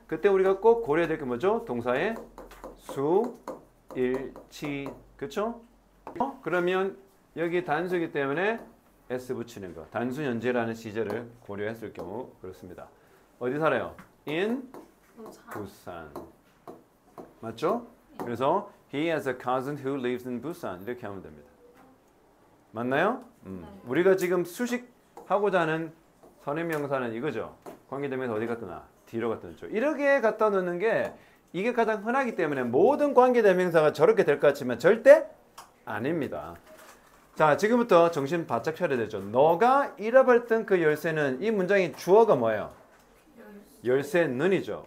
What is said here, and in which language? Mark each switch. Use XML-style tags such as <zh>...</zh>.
<ko>그때 우리가 꼭 고려해야 될게 뭐죠? 동사의 수, 일치, 그렇죠? 그러면 여기 단수이기 때문에 s 붙이는 거. 단수 연제라는 시제를 고려했을 경우 그렇습니다. 어디 살아요? in 부산. 맞죠?</ko> <en>그래서 he has a cousin who lives in Busan.</en> <ko>이렇게 하면 됩니다. 맞나요? 우리가 지금 수식하고자 하는 선행명사는 이거죠. 관계대명사 어디 갖다 놔? 뒤로 갖다 놓죠. 이렇게 갖다 놓는 게 이게 가장 흔하기 때문에 모든 관계대명사가 저렇게 될것 같지만 절대 아닙니다. 자, 지금부터 정신 바짝 차려야 되죠. 너가 잃어버렸던 그 열쇠는 이 문장의 주어가 뭐예요? 열쇠는이죠.</ko>